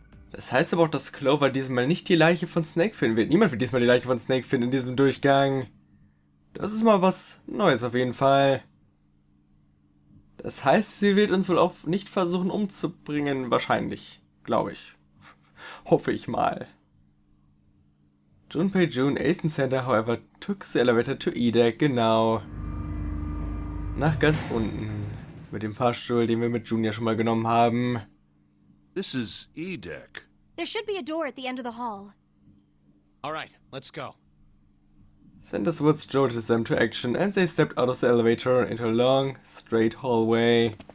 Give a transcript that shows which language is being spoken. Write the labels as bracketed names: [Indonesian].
[German] Das heißt aber auch, dass Clover diesmal nicht die Leiche von Snake finden wird. Niemand wird diesmal die Leiche von Snake finden in diesem Durchgang. Das ist mal was Neues auf jeden Fall. Das heißt, sie wird uns wohl auch nicht versuchen umzubringen. Wahrscheinlich, glaube ich. Hoffe ich mal. [English] Junpei, June, Ace and Santa, however, took the elevator to E-Deck, genau. [German] Nach ganz unten. Mit dem Fahrstuhl, den wir mit June ja schon mal genommen haben. [English] This is E-Deck. There should be a door at the end of the hall. Alright, let's go. Santa's words jolted them to action, and they stepped out of the elevator into a long, straight hallway.